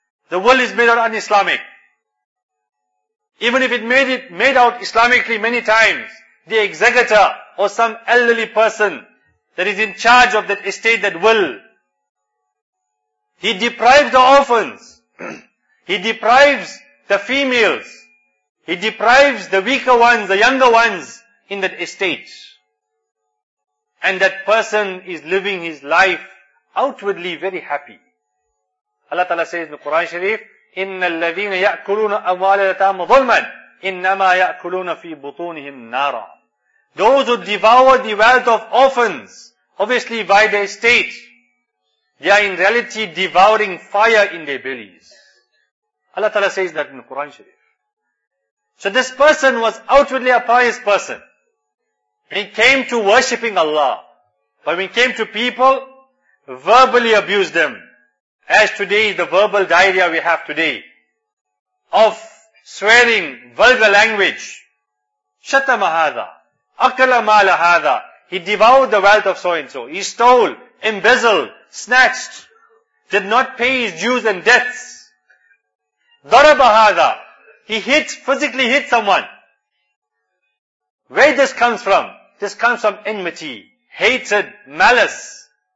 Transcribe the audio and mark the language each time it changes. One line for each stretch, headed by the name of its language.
English: The will is made out un-Islamic. Even if it made out Islamically many times, the executor or some elderly person that is in charge of that estate, that will, he deprives the orphans, he deprives the females, he deprives the weaker ones, the younger ones, in that estate. And that person is living his life outwardly very happy. Allah Ta'ala says in the Quran Sharif,
Arabic: إِنَّ الَّذِينَ يَأْكُلُونَ أَمْوَالَ الْيَتَامَ ظُلْمًا إِنَّمَا يَأْكُلُونَ فِي بُطُونِهِمْ نَارًا.
English: Those who devour the wealth of orphans, obviously by their estate, they are in reality devouring fire in their bellies. Allah Ta'ala says that in the Quran Sharif. So this person was outwardly a pious person. He came to worshipping Allah. But when he came to people, verbally abused them. As today is the verbal diarrhea we have today. Of swearing, vulgar language.
Arabic: شَتَمَ هَذَا أَكَلَ مَالَ هَذَا.
English: He devoured the wealth of so-and-so. He stole, embezzled, snatched, did not pay his dues and debts.
Arabic: Daraba hadha.
English: He hit, physically hit someone. Where this comes from? This comes from enmity, hatred, malice.